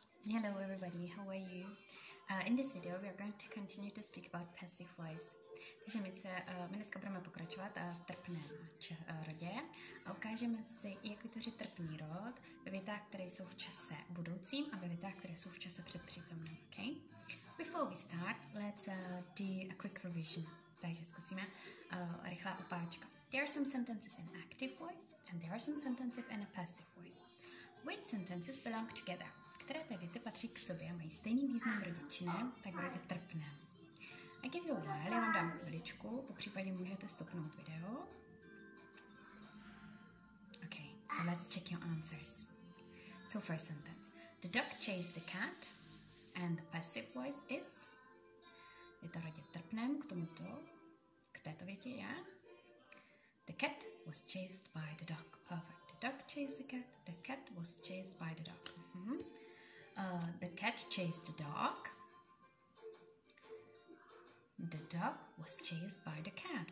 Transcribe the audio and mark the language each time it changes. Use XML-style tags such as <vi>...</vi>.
<en>Hello everybody, how are you? In this video we are going to continue to speak about passive voice.</en> <cs>Takže my dneska budeme pokračovat v trpném rodě a ukážeme si, jak vytvořit trpný rod ve větách, které jsou v čase budoucím a ve větách, které jsou v čase předpřítomném.</cs> <en>Okay? Before we start, let's do a quick revision.</en> <cs>Takže zkusíme rychlá opáčka.</cs> <en>There are some sentences in active voice and there are some sentences in a passive voice. Which sentences belong together?</en> <cs>Které ty věty patří k sobě a mají stejný význam v rodičině, tak budete trpné.</cs> <en>I give you a while,</en> <cs>já vám dám chviličku, popřípadě můžete stopnout video.</cs> <en>Ok, so let's check your answers. So first sentence. The dog chased the cat and the passive voice is?</en> <cs>Je to rodě trpném k tomuto, k této větě je?</cs> <en>The cat was chased by the dog. Perfect. The dog chased the cat. The cat was chased by the dog. Mm-hmm. The cat chased the dog. The dog was chased by the cat.</en>